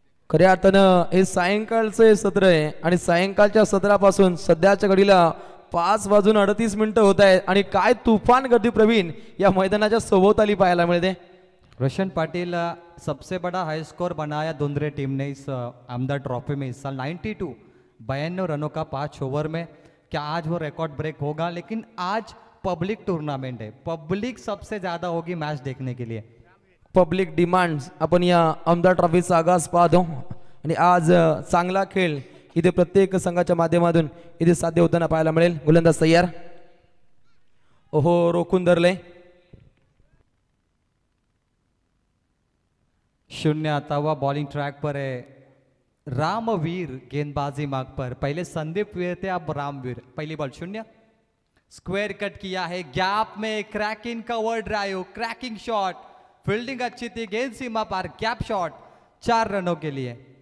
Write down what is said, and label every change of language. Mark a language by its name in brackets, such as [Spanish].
[Marathi] खऱ्या अर्थाने हे सायंकाळचं सत्र आहे आणि सायंकाळच्या सत्रापासून सध्याच्या घडीला 5:38 होत आहे आणि काय तुफान गर्दी प्रवीण या मैदानाच्या सभोवताली पाहायला मिळते। [Hindi] रोशन पाटील सबसे बड़ा हाई स्कोर बनाया धुंद्रे टीम ने इस अहमदा ट्रॉफी में इस साल 92 रनों का 5 ओवर में। क्या आज वो रिकॉर्ड ब्रेक होगा? लेकिन आज पब्लिक टूर्नामेंट है, पब्लिक सबसे ज्यादा होगी मैच देखने के लिए, पब्लिक डिमांड्स। [Marathi] अपन या अहमदा ट्रॉफी चा आगाज पाहतो आणि आज चांगला खेल इथे प्रत्येक संघाच्या माध्यमातून इथे साध्य होताना पाहायला मिळेल। गोलंदाज तयार, ओहो रोखून धरले, [Hindi] शून्य आता हुआ। बॉलिंग ट्रैक पर है रामवीर गेंदबाजी मार्ग पर, पहले संदीप वीर थे अब रामवीर। पहली बॉल शून्य, स्क्वेयर कट किया है गैप में, क्रैकिंग का word drive, cracking shot, fielding अच्छी थी, गेंद सीमा पार, गैप शॉट, 4 रनों के लिए।